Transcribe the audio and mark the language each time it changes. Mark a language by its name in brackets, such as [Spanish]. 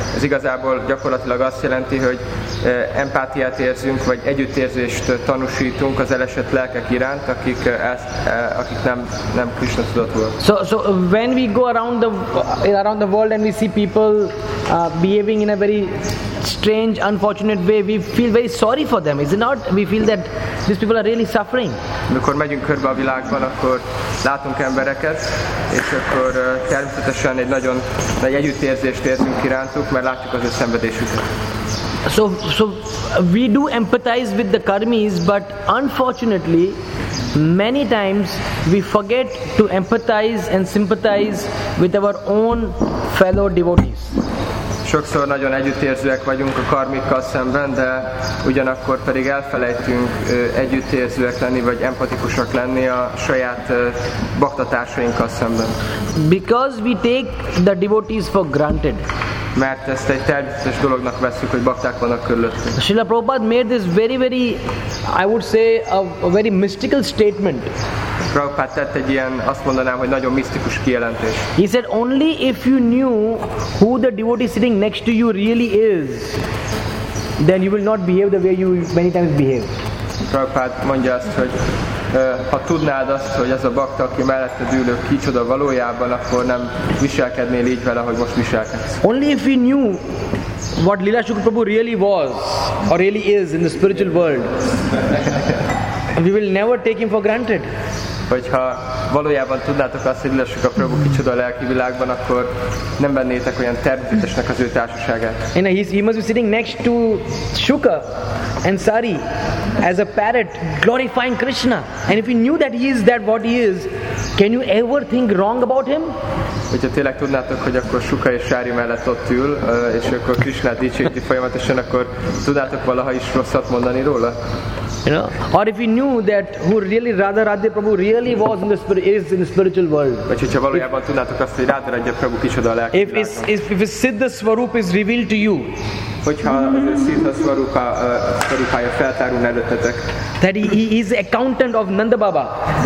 [Hungarian] Ez igazából gyakorlatilag azt jelenti, hogy empátiát érzünk, vagy együttérzést tanúsítunk az elesett lelkek iránt, akik nem Krishna tudott volt. [English] So when we go around the world and we see people behaving in a very strange, unfortunate way, we feel very sorry for them, is it not? We feel that these people are really suffering. [Hungarian] Amikor megyünk körbe a világban, akkor látunk embereket, és akkor természetesen egy nagyon nagy együttérzést érzünk irántuk, mert látjuk az ő szenvedésüket. [English] So we do empathize with the karmis, but unfortunately many times we forget to empathize and sympathize with our own fellow devotees. [Hungarian] Sokszor nagyon együttérzőek vagyunk a karmikkal szemben, de ugyanakkor pedig elfelejtünk együttérzőek lenni, vagy empatikusak lenni a saját baktatársainkkal szemben. [English] Because we take the devotees for granted. [Hungarian] Mert ezt egy természetes dolognak veszük, hogy bakták vannak körülöttünk. [English] Srila Prabhupada made this very very, I would say, a very mystical statement. [Hungarian] Prabhupada tett egy ilyen, azt mondanám, hogy nagyon misztikus kijelentés. [English] He said, only if you knew who the devotee sitting next to you really is, then you will not behave the way you many times behave. [Hungarian] Prabhupada mondja azt, hogy ha tudnád azt, hogy ez a bakta, aki melletted ülő, kicsoda valójában, akkor nem viselkednél így vele, ahogy most viselkedsz. [English] Only if we knew what Lila Shukla Prabhu really was, or really is in the spiritual world, we will never take him for granted. [Hungarian] Hogyha valójában tudnátok azt, hogy Lila Shukla Prabhu kicsoda a lelki világban, akkor nem vennétek olyan természetesnek az ő társaságát. [English] And he must be sitting next to Shuka and Sari as a parrot glorifying Krishna. And if you knew that he is that what he is, can you ever think wrong about him? [Hungarian] Hogyha tényleg tudnátok, hogy akkor Shuka és Sari mellett ott ül, és akkor Krishna dicséti folyamatosan, akkor tudnátok valaha is rosszat mondani róla? [English] Or if you knew that who really Radha Radhe Prabhu really was in the spirit, is in the spiritual world. [Hungarian] Vagy hogyha valójában tudnátok azt, hogy Radha Radhe Prabhu kicsoda a lelki világon. [English] If Siddha Swarup is revealed to you, [Hungarian] hogyha Siddha Swarupája feltárul előttetek, [English] that he is accountant of Nanda Baba.